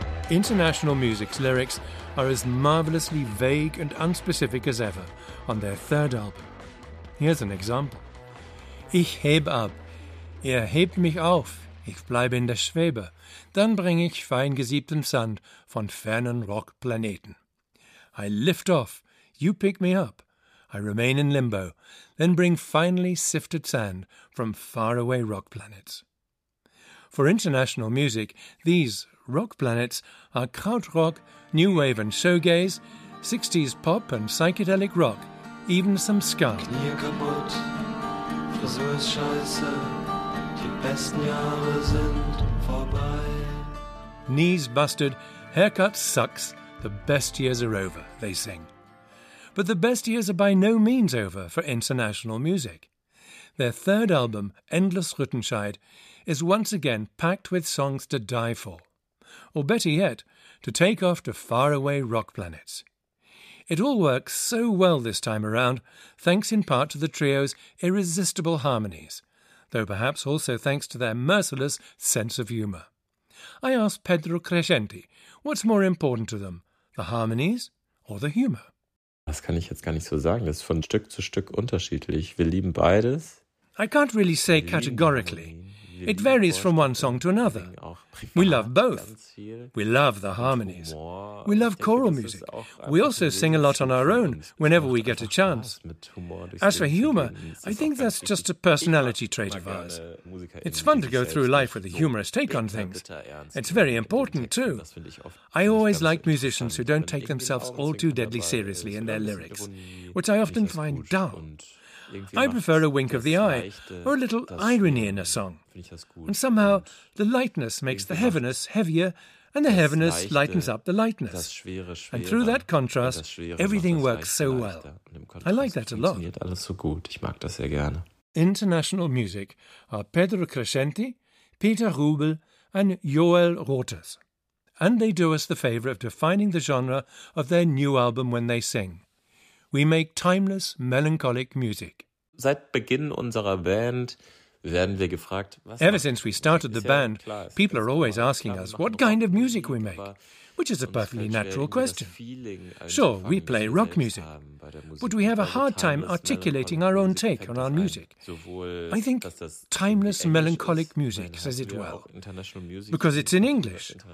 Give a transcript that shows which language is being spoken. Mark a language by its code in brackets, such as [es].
[en] International Music's lyrics are as marvellously vague and unspecific as ever on their 3rd album. Here's an example. [de] Ich heb ab, hebt mich auf, ich bleibe in der Schwebe, dann bring ich fein gesiebten Sand von fernen Rockplaneten. [en] I lift off, you pick me up, I remain in limbo, then bring finely sifted sand from faraway rock planets. For International Music, these rock planets are krautrock, new wave and shoegaze, 60s pop and psychedelic rock, even some ska. [de] Knie kaputt, Frisur ist scheiße, die besten Jahre sind vorbei. [en] Knees busted, haircut sucks, the best years are over, they sing. But the best years are by no means over for International Music. Their 3rd album, Endless Rüttenscheid, is once again packed with songs to die for. Or better yet, to take off to faraway rock planets. It all works so well this time around, thanks in part to the trio's irresistible harmonies. though perhaps also thanks to their merciless sense of humour. I asked Pedro Crescenti, what's more important to them, the harmonies or the humour? [de] Das kann ich jetzt gar nicht so sagen. Das ist von Stück zu Stück unterschiedlich. Wir lieben beides. [en] I can't really say categorically. It varies from one song to another. We love both. We love the harmonies. We love choral music. We also sing a lot on our own whenever we get a chance. As for humor, I think that's just a personality trait of ours. It's fun to go through life with a humorous take on things. It's very important, too. I always like musicians who don't take themselves all too deadly seriously in their lyrics, which I often find dull. I prefer a wink of the eye or a little irony in a song. And somehow the lightness makes the heaviness heavier and the heaviness lightens up the lightness. And through that contrast, everything works so well. I like that a lot. International music are Pedro Crescenti, Peter Rubel and Joel Rotes. And they do us the favour of defining the genre of their new album when they sing. We make timeless, melancholic music. [de] Seit Beginn unserer Band werden wir gefragt, was [en] Ever since we started the band, people are always asking us what kind of music we make, which is a perfectly natural question. Sure, we play rock music, but we have a hard time articulating our own take on our music. I think timeless melancholic music says it well, because it's in English.